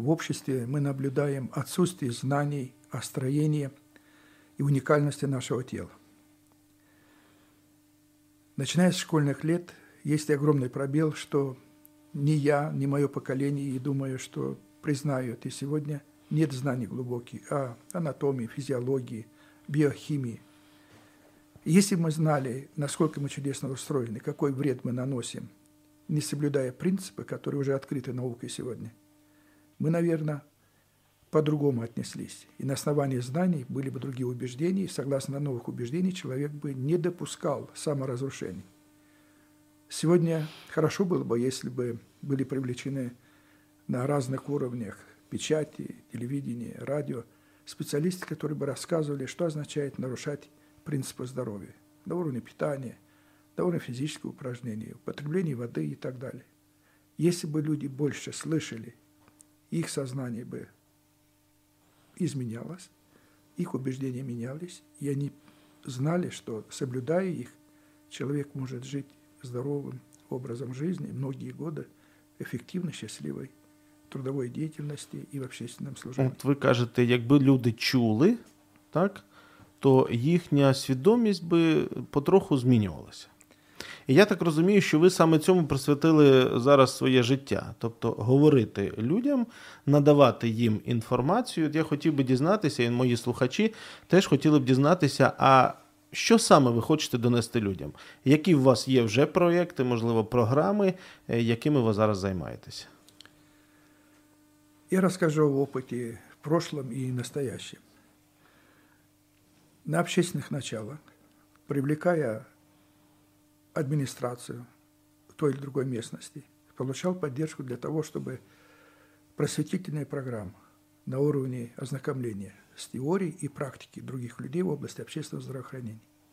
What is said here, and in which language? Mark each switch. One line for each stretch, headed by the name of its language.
Ukrainian: В обществі ми наблюдаємо відсутність знаний, остроєння і унікальності нашого тіла. Начиная з школьних лет, є огромний пробіл, що ні я, ні моє покоління, і думаю, що признають і сьогодні,
Russian: нет знаний глубоких о анатомии, физиологии, биохимии. Если бы мы знали, насколько мы чудесно устроены, какой вред мы наносим, не соблюдая принципы, которые уже открыты наукой сегодня, мы, наверное, по-другому отнеслись. И на основании знаний были бы другие убеждения, и согласно новых убеждений человек бы не допускал саморазрушений. Сегодня хорошо было бы, если бы были привлечены на разных уровнях печати, телевидение, радио, специалисты, которые бы рассказывали, что означает нарушать принципы здоровья, на уровне питания, на уровне физических упражнений, употребления воды и так далее. Если бы люди больше слышали, их сознание бы изменялось, их убеждения менялись, и они знали, что, соблюдая их, человек может жить здоровым образом жизни многие годы, эффективно, счастливой
Ukrainian: трудової діяльності і в общественному служінні. От ви кажете, якби люди чули, так, то їхня свідомість би потроху змінювалася. І я так розумію, що ви саме цьому присвятили зараз своє життя. Тобто говорити людям, надавати їм інформацію. От я хотів би дізнатися, і мої слухачі теж хотіли б дізнатися, а що саме ви хочете донести людям? Які у вас є вже проєкти, можливо, програми, якими ви зараз займаєтеся?
Russian: Я расскажу об опыте в прошлом и настоящем. На общественных началах, привлекая администрацию той или другой местности, получал поддержку для того, чтобы просветительная программа на уровне ознакомления с теорией и практикой других людей в области общественного здравоохранения.